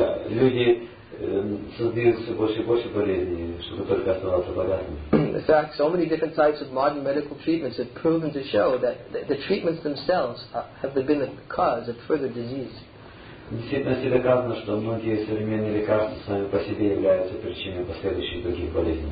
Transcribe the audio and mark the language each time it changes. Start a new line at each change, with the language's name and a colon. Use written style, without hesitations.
Russian: Люди создают все больше и больше болезней, чтобы только оставаться богатыми.
English: In fact, so many different types of modern medical treatments have proven to show that the treatments themselves have been the cause of further disease.
Russian: Действительно, доказано, что многие современные лекарства сами по себе являются причиной последующих других болезней.